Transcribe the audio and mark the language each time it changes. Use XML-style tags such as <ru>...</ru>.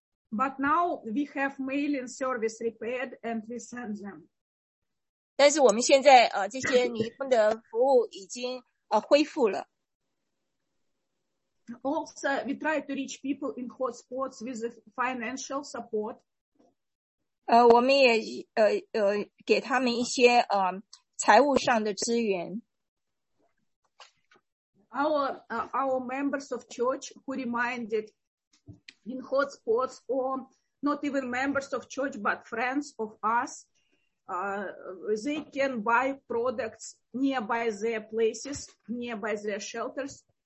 <en>But now we have mailing service repaired and we send them.</en> <zh>但是我们现在这些女佣的服务已经恢复了。</zh> <en>Also, we try to reach people in hotspots with financial support.</en> <zh>我们也给他们一些财务上的资源。</zh> <en>Our members of church who remained in hotspots, or not even members of church, but friends of us, they can buy products nearby their places, nearby their shelters.</en>